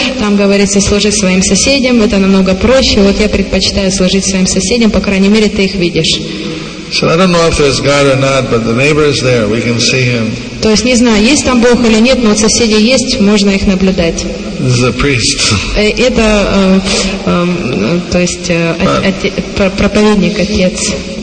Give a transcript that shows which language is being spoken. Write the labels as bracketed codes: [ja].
[ru] Там говорится, служи своим соседям. Это намного проще. Вот я предпочитаю служить своим соседям. По крайней мере, ты их видишь. [en] So I don't know if there's God or not, but the neighbor is there. We can see him. [ru] То есть не знаю, есть там Бог или нет, но соседи есть, можно их наблюдать. [en] This is a priest. [ru] Это, то есть, проповедник, отец.